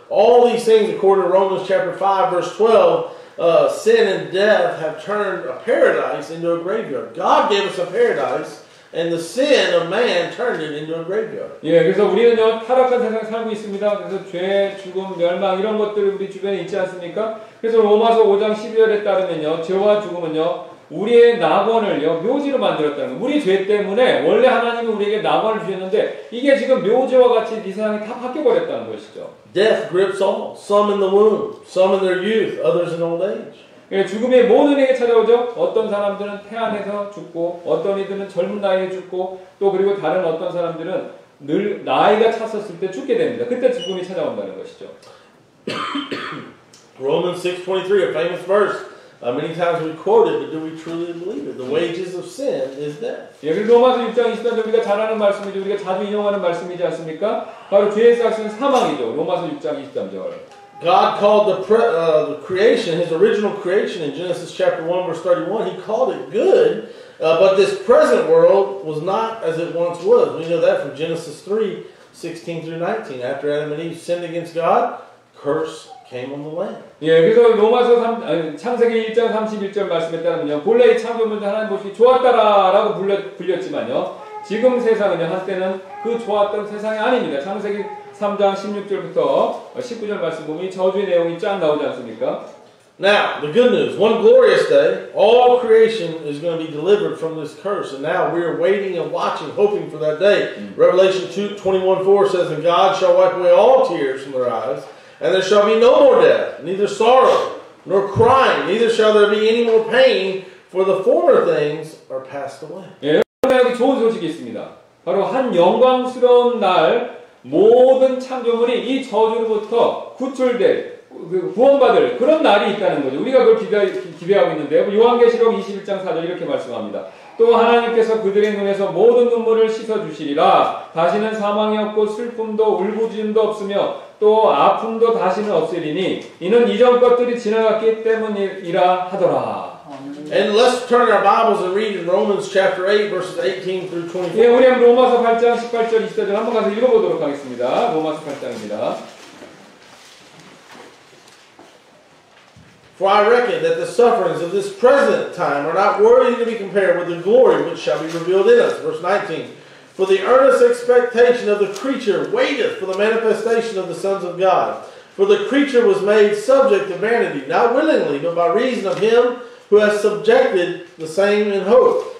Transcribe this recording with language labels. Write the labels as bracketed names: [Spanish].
[English] All these things, according to Romans chapter 5, verse 12. Sin and death have turned a paradise into a graveyard. God gave us a paradise, and the sin of man turned it into a graveyard. [Korean] 예, 그래서 우리는요 타락한 세상 살고 있습니다. 그래서 죄, 죽음, 멸망 이런 것들이 우리 주변에 있지 않습니까? 그래서 로마서 5장 12절에 따르면요 죄와 죽음은요 우리의 낙원을요 묘지로 만들었다는 거예요. 우리 죄 때문에 원래 하나님은 우리에게 낙원을 주셨는데 이게 지금 묘지와 같이 이 세상이 다 바뀌어 버렸다는 것이죠. [English] Death grips all. Some in the womb, some in their youth, others in old age. [Korean] 예, 죽음이 모든에게 찾아오죠. 어떤 사람들은 태안에서 죽고, 어떤 이들은 젊은 나이에 죽고, 또 그리고 다른 어떤 사람들은 늘 나이가 찼었을 때 죽게 됩니다. 그때 죽음이 찾아온다는 것이죠. [English] Romans 6:23, a famous verse. Many times we quote it, but do we truly believe it? The wages of sin is death. [Korean] 예, 그리고 로마서 6장 23절 우리가 잘 아는 말씀이죠. 우리가 자주 인용하는 말씀이지 않습니까? 바로 죄의 삯은 사망이죠. 로마서 6장 23절. [English] God called the creation, His original creation in Genesis chapter 1 verse 31, He called it good, but this present world was not as it once was. We know that from Genesis 3:16 through 19. After Adam and Eve sinned against God, curse came on the land. [Korean] 예, 그래서 로마서 창세기 1장 31절 말씀에 따르면요, 본래의 창조물도 하나님 보시기 좋았다라고 불렸지만요, 지금 세상은요, 한때는 그 좋았던 세상이 아닙니다. 창세기 3장 16절부터 19절 말씀 보면 저주의 내용이 쫙 나오지 않습니까? [English] Now, the good news, one glorious day, all creation is going to be delivered from this curse, and now we are waiting and watching, hoping for that day. Revelation 2:21-4 says, and God shall wipe away all tears from their eyes, And there shall be no more death, neither sorrow, nor crying, neither shall there be any more pain, for the former things are passed away. [Korean] 예, 여러분에게 좋은 소식이 있습니다. 바로 한 영광스러운 날, 모든 창조물이 이 저주로부터 구출될, 구원받을 그런 날이 있다는 거죠. 우리가 그걸 기대하고 있는데요. 요한계시록 21장 4절 이렇게 말씀합니다. 또 하나님께서 그들의 눈에서 모든 눈물을 씻어주시리라. 다시는 사망이 없고 슬픔도 울부짖음도 없으며 또 아픔도 다시는 없으리니 이는 이전 것들이 지나갔기 때문이라 하더라. [English] And let's turn our Bibles and read in Romans chapter 8 verses 18 through 24. [Korean] 예, 우리 한번 로마서 8장 18절 24절 한번 가서 읽어보도록 하겠습니다. 로마서 8장입니다. [English] For I reckon that the sufferings of this present time are not worthy to be compared with the glory which shall be revealed in us. Verse 19. For the earnest expectation of the creature waiteth for the manifestation of the sons of God. For the creature was made subject to vanity, not willingly, but by reason of him who has subjected the same in hope.